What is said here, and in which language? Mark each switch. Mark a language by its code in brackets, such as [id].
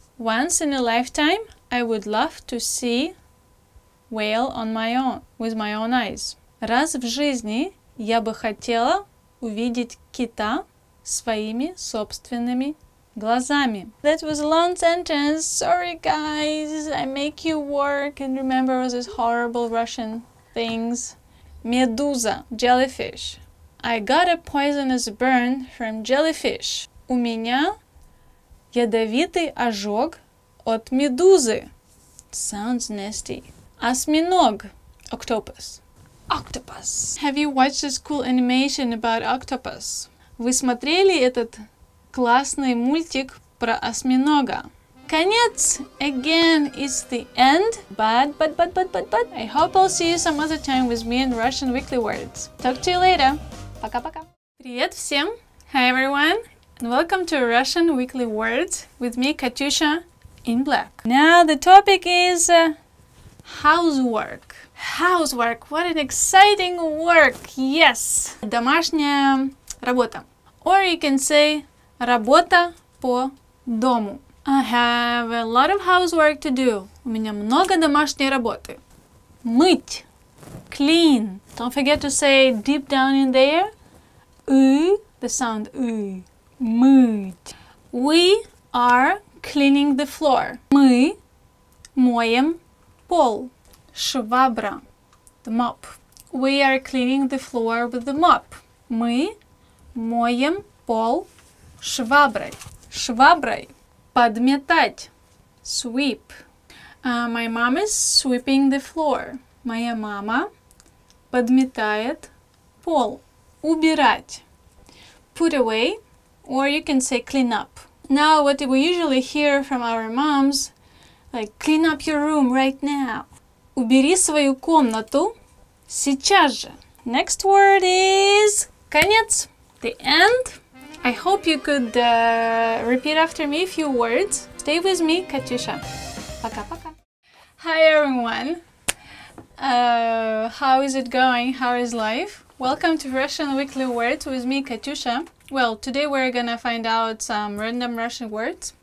[en] Once in a lifetime, I would love to see whale on my own, with my own eyes. [ru] Раз в жизни я бы хотела увидеть кита своими собственными глазами. [en] That was a long sentence. Sorry, guys. I make you work and remember all these horrible Russian things. [ru] Медуза. [en] Jellyfish. I got a poisonous burn from jellyfish. [ru] У меня ядовитый ожог от медузы. [en] Sounds nasty. [ru] Осьминог. [en] Octopus. Octopus. Have you watched this cool animation about octopus? [ru] Вы смотрели этот классный мультик про осьминога? Конец! [en] Again, it's the end. But. I hope I'll see you some other time with me and Russian Weekly Words. Talk to you later. [ru] Пока-пока. Привет всем. [en] Hi, everyone. And welcome to Russian Weekly Words with me, Katyusha, in black. Now, the topic is housework. Housework, what an exciting work, yes! [ru] Домашняя работа. [en] Or you can say, [ru] работа по дому. [en] I have a lot of housework to do. [ru] У меня много домашней работы. Мыть. [en] Clean. Don't forget to say deep down in there. The sound ы. [ru] Мыть. [en] We are cleaning the floor. [ru] Мы моем пол. Швабра. [en] The mop. We are cleaning the floor with the mop. [ru] Мы моем пол шваброй. Шваброй. Подметать. [en] Sweep. My mom is sweeping the floor. [ru] Моя мама подметает пол. Убирать. [en] Put away. Or you can say clean up. Now, what we usually hear from our moms, like clean up your room right now. [ru] Убери свою комнату сейчас же. [en] Next word is конец. The end. I hope you could repeat after me a few words. Stay with me, Катюша. [ru] Пока, пока. [en] Hi everyone. How is it going? How is life? Welcome to Russian Weekly Words with me, Катюша. Well, today we're gonna find out some random Russian words.